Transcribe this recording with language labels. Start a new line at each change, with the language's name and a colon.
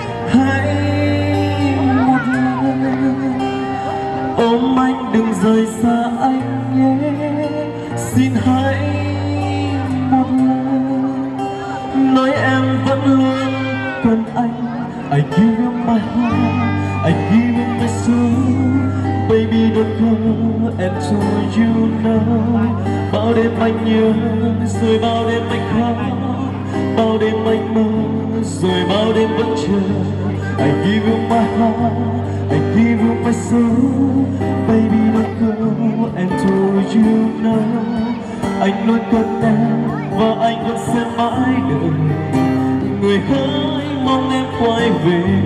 Vietnamese: Hãy một lần ôm anh đừng rời xa anh nhé, xin hãy một lần nói em vẫn luôn cần anh.
English: I give you my heart, I give you my soul. Baby don't go, and to you know.
Vietnamese: Bao đêm anh nhớ, rồi bao đêm anh khóc. Bao đêm anh mơ, rồi bao đêm vẫn chờ.
English: I give you my heart, I give you my soul. Baby don't go, and to you know.
Vietnamese: Anh luôn cần em, và anh vẫn sẽ mãi đợi. Người hỡi mong em quay về.